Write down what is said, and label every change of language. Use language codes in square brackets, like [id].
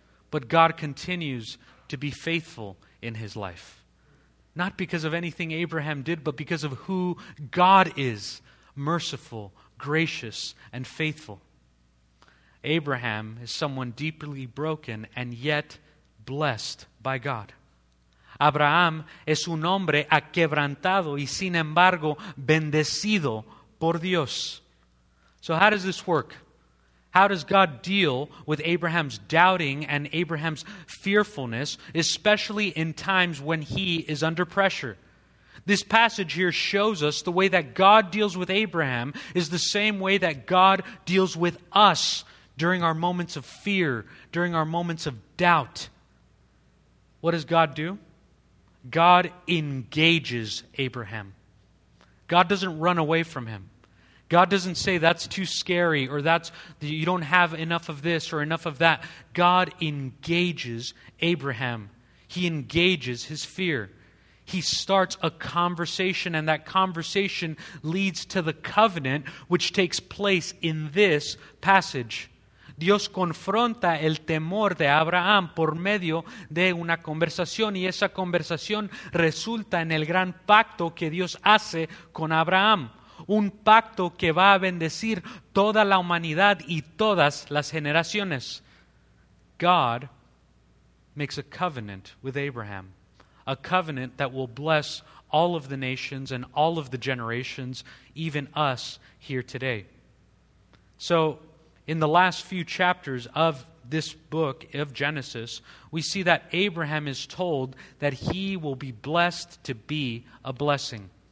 [en] But God continues to be faithful in his life. Not because of anything Abraham did, but because of who God is, merciful, gracious, and faithful. Abraham is someone deeply broken and yet blessed by God. [es] Abraham es un hombre aquebrantado y sin embargo bendecido por Dios. [en] So how does this work? How does God deal with Abraham's doubting and Abraham's fearfulness, especially in times when he is under pressure? This passage here shows us the way that God deals with Abraham is the same way that God deals with us during our moments of fear, during our moments of doubt. What does God do? God engages Abraham. God doesn't run away from him. God doesn't say, that's too scary, or that's you don't have enough of this or enough of that. God engages Abraham. He engages his fear. He starts a conversation, and that conversation leads to the covenant, which takes place in this passage. [es] Dios confronta el temor de Abraham por medio de una conversación y esa conversación resulta en el gran pacto que Dios hace con Abraham. Un pacto que va a bendecir toda la humanidad y todas las generaciones. [en] God makes a covenant with Abraham. A covenant that will bless all of the nations and all of the generations, even us here today. So, in the last few chapters of this book of Genesis, we see that Abraham is told that he will be blessed to be a blessing.